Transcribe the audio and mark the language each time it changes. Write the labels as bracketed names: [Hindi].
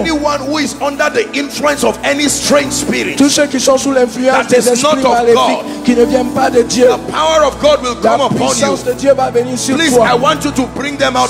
[English] anyone who is under the influence of any strange spirit, [French] tous ceux qui sont sous l'influence des esprits maléfiques qui ne viennent pas de Dieu, [English] the power of God will come upon you. [French] La puissance de Dieu va venir sur [English] please, [French] toi. [English] Please, I want you to bring them out